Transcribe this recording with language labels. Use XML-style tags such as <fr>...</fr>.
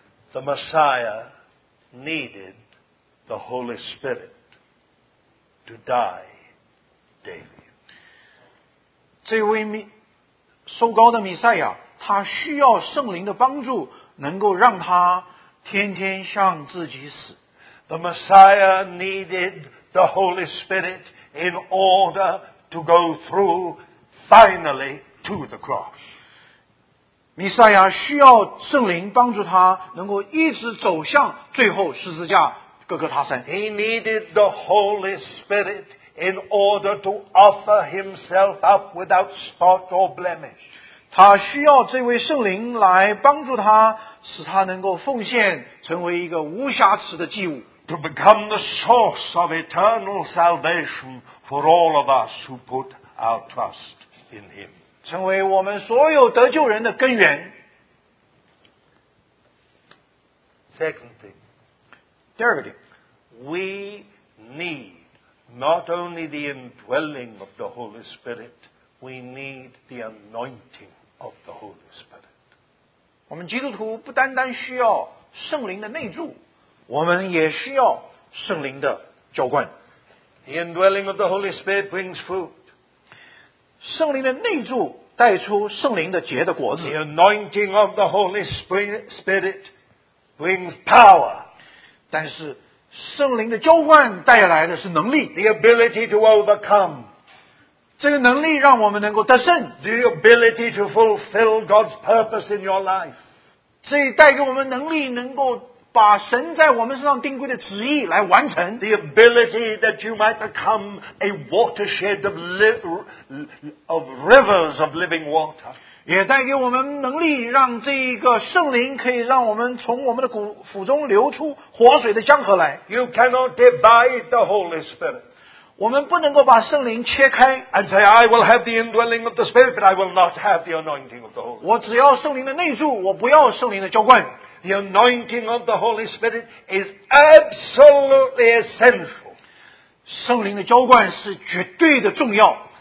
<en>the Messiah needed the Holy Spirit to die daily.</en> <zh>这位受膏的弥赛亚他需要圣灵的帮助能够让他天天向自己死。</zh> <en>The Messiah needed the Holy Spirit in order to go through finally to the cross.</en> <zh>弥赛亚需要圣灵帮助他能够一直走向最后十字架哥哥他山。</zh> <en>He needed the Holy Spirit in order to offer himself up without spot or blemish.</en> <zh>他需要这位圣灵来帮助他使他能够奉献成为一个无瑕疵的祭物。</zh> <en>To become the source of eternal salvation for all of us who put our trust in him.</en> <zh>成为我们所有得救人的根源。</zh> <en>Second thing.</en> <zh>第二个点。</zh> <en>We need not only the indwelling of the Holy Spirit, we need the anointing. Of the Holy Spirit.</en> <zh>我们基督徒不单单需要圣灵的内住，我们也需要圣灵的浇灌。</zh> <en>The indwelling of the Holy Spirit brings fruit.</en> <zh>圣灵的内住带出圣灵的结的果子。</zh> <en>The anointing of the Holy Spirit brings power.</en> <zh>但是圣灵的浇灌带来的是能力。</zh> <en>The ability to overcome.</en> <zh>这个能力让我们能够得胜。</zh> <en>The ability to fulfill God's purpose in your life.</en> <zh>这带给我们能力能够把神在我们身上定规的旨意来完成。</zh> <en>The ability that you might become a watershed of rivers of living water.</en> <zh>也带给我们能力让这一个圣灵可以让我们从我们的骨腹中流出活水的江河来。</zh> <en>You cannot divide the Holy Spirit.</en> <zh>我们不能够把圣灵切开</zh> <en>and say I will have the indwelling of the Spirit but I will not have the anointing of the Holy Spirit.</en> <zh>我只要圣灵的内住我不要圣灵的浇灌</zh> <en>The anointing of the Holy Spirit is absolutely essential.</en> <zh>圣灵的浇灌是绝对的重要</zh>